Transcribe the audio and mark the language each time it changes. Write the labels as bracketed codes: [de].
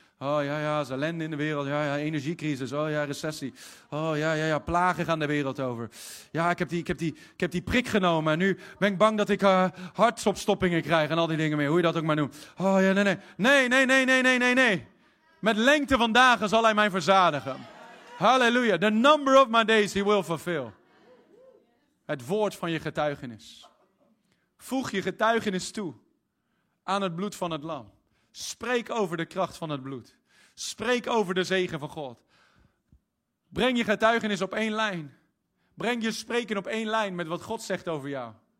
[nl] Oh ja, ja, er is ellende in de wereld. Ja, ja, energiecrisis. Oh ja, recessie. Oh ja, ja, ja, plagen gaan de wereld over. Ja, ik heb die prik genomen en nu ben ik bang dat ik hartstopstoppingen krijg en al die dingen meer. Hoe je dat ook maar noemt. Oh ja, nee, nee, nee, nee, nee, nee, nee, nee, nee. Met lengte van dagen zal hij mij verzadigen. Halleluja. [en] The number of my days he will fulfill. [nl] Het woord van je getuigenis. Voeg je getuigenis toe aan het bloed van het lam. Spreek over de kracht van het bloed. Spreek over de zegen van God. Breng je getuigenis op één lijn. Breng je spreken op één lijn met wat God zegt over jou.